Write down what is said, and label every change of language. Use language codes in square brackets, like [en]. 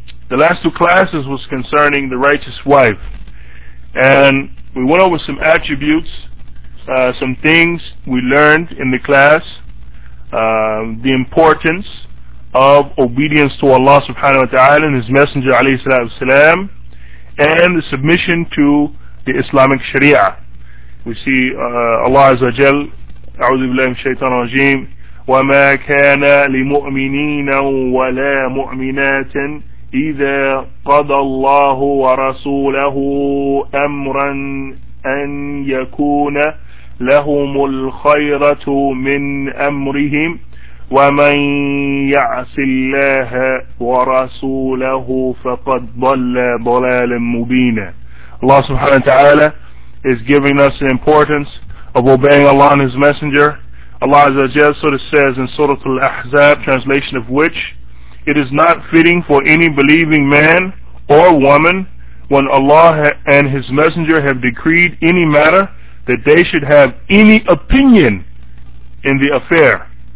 [en] The last two classes was concerning the righteous wife, and we went over some attributes, some things we learned in the class, the importance of obedience to Allah subhanahu wa ta'ala and His Messenger alayhi salatu wasalam, and the submission to the Islamic Sharia. We see [ar] Allah Azza wa Jal, A'udhu Billahi Minash Shaitanir Rajeem, وَمَا كَانَ لِمُؤْمِنِينَ وَلَا مُؤْمِنَاتٍ إِذَا قَضَى اللَّهُ وَرَسُولَهُ أَمْرًا أَنْ يَكُونَ لَهُمُ الْخَيْرَةُ مِنْ أَمْرِهِمْ وَمَنْ يَعْصِ اللَّهَ وَرَسُولَهُ فَقَدْ ضَلَّ ضَلَالًا مُبِينًا. [en] Allah subhanahu wa ta'ala is giving us the importance of obeying Allah and His Messenger. Allah Azza wa Jalla sort of says in Surah Al-Ahzab, translation of which, it is not fitting for any believing man or woman, when Allah and His Messenger have decreed any matter, that they should have any opinion in the affair.